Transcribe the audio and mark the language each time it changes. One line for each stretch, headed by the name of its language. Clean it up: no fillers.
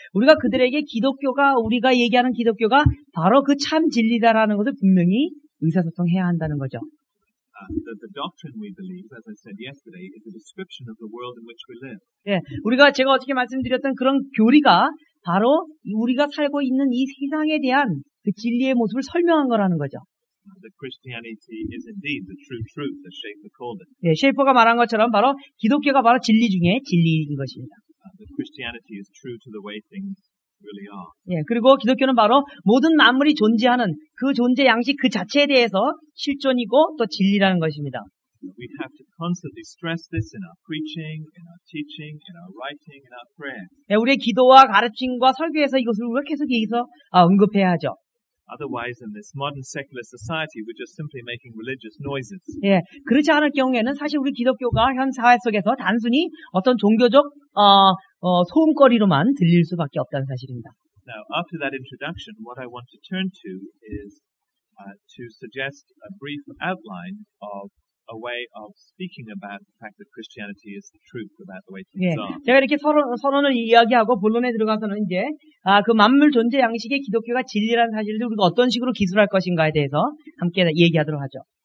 Korean: 우리가 그들에게 기독교가 우리가 얘기하는 기독교가 바로 그 참 진리다라는 것을 분명히 의사소통해야 한다는 거죠.
English: The doctrine we believe, as I said yesterday, is a description of the world in which we live.
Korean: 예, 우리가 제가 어떻게 말씀드렸던 그런 교리가 바로 우리가 살고 있는 이 세상에 대한 그 진리의 모습을 설명한 거라는 거죠.
English: The Christianity is indeed the true truth, as Schaeffer called it.
Korean: 예, 셰이퍼가 말한 것처럼 바로 기독교가 바로 진리 중에 진리인 것입니다.
English: The Christianity is true to the way things really are.
Korean: 예, 그리고 기독교는 바로 모든 만물이 존재하는 그 존재 양식 그 자체에 대해서 실존이고 또 진리라는 것입니다.
English: We have to constantly stress this in our preaching, in our teaching, in our writing, in our prayer.
Korean: 예, 우리의 기도와 가르침과 설교에서 이것을 우리가 계속 여기서 언급해야 하죠.
English: Otherwise, in this modern secular society, we're just simply making religious noises.
Korean: 예, 그렇지 않을 경우에는 사실 우리 기독교가 현 사회 속에서 단순히 어떤 종교적 소음거리로만 들릴 수밖에 없다는 사실입니다.
English: Now, after that introduction, what I want to turn to is to suggest a brief outline of a way of speaking about the fact that Christianity is the truth about the way things are.
Korean: 예, 제가 이렇게 서론을 이야기하고 본론에 들어가서는 이제. 아, 그 만물 존재 양식의 기독교가 진리라는 사실을 우리가 어떤 식으로 기술할 것인가에 대해서 함께 얘기하도록 하죠.